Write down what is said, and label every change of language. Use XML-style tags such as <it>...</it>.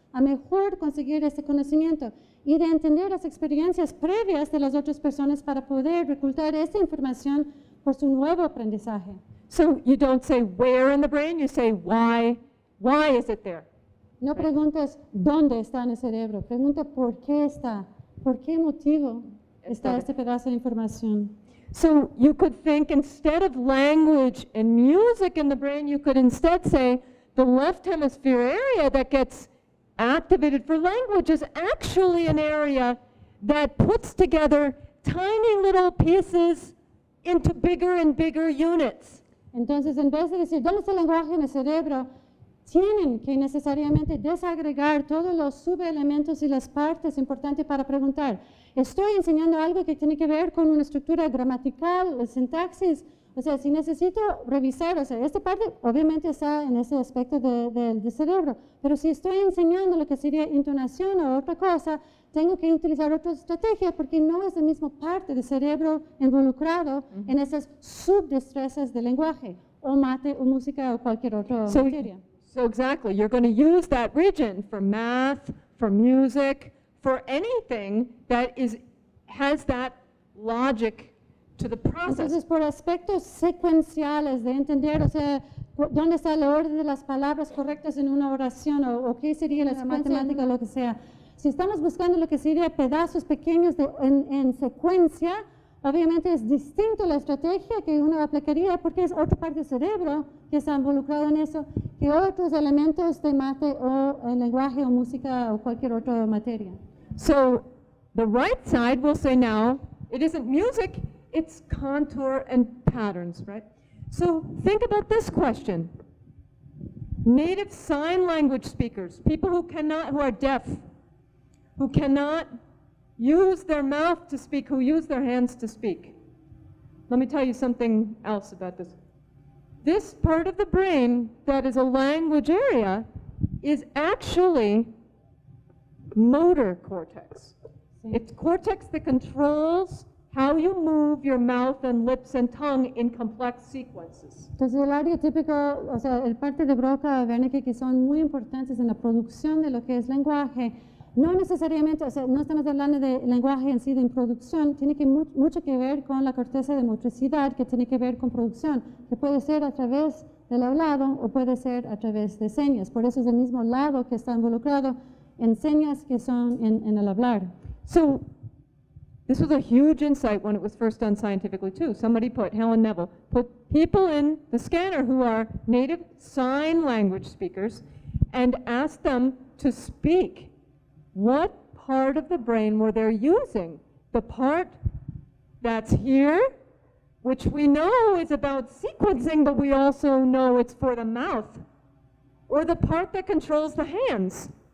<es>a mejor conseguir este conocimiento y de entender las experiencias previas de las otras personas para poder reclutar esta información por su nuevo aprendizaje.</es> <en>So you don't say where in the brain, you say why. Why is it there?</en> <es>No preguntas dónde está en el cerebro, pregunta por qué está, por qué motivo está este pedazo de información.</es> <en>So you could think instead of language and music in the brain, you could instead say the left hemisphere area that gets activated for language is actually an area that puts together tiny little pieces into bigger and bigger units.</en> <es>Entonces, en vez de decir dónde está el lenguaje en el cerebro, tienen que necesariamente desagregar todos los subelementos y las partes importantes para preguntar. Estoy enseñando algo que tiene que ver con una estructura gramatical, la sintaxis. O sea, si necesito revisar, o sea, esta parte obviamente está en ese aspecto del cerebro. Pero si estoy enseñando lo que sería entonación o otra cosa, tengo que utilizar otra estrategia porque no es la misma parte del cerebro involucrado uh-huh. en esas subdestrezas del lenguaje, o mate, o música, o cualquier otra materia.</es> <en>So exactly, you're going to use that region for math, for music, for anything that is has that logic to the process.</en> <es>Entonces, por aspectos secuenciales de entender, o sea, dónde está el orden de las palabras correctas en una oración, o qué sería la matemática, lo que sea. Si estamos buscando lo que sería pedazos pequeños en secuencia, obviamente es distinto la estrategia que uno aplicaría porque es otra parte del cerebro que está involucrado en eso que otros elementos de mate o el lenguaje o música o cualquier otra materia.</es> <en>So, the right side will say now, it isn't music, it's contour and patterns, right? So, think about this question. Native sign language speakers, people who are deaf, who cannot use their mouth to speak, who use their hands to speak. Let me tell you something else about this. This part of the brain that is a language area is actually motor cortex. It's cortex that controls how you move your mouth and lips and tongue in complex sequences.</en> <es>Entonces el área típica, o sea, el parte de Broca, Wernicke, que son muy importantes en la producción de lo que es lenguaje, no necesariamente, o sea, no estamos hablando de lenguaje en sí, de producción, tiene que mucho que ver con la corteza de motricidad, que tiene que ver con producción, que puede ser a través del hablado o puede ser a través de señas. Por eso es el mismo lado que está involucrado en señas que son en el hablar.</es> <en>So, this was a huge insight when it was first done scientifically too. Somebody put, Helen Neville, put people in the scanner who are native sign language speakers and asked them to speak. What part of the brain were they using? The part that's here, which we know is about sequencing, but we also know it's for the mouth, or the part that controls the hands?</en>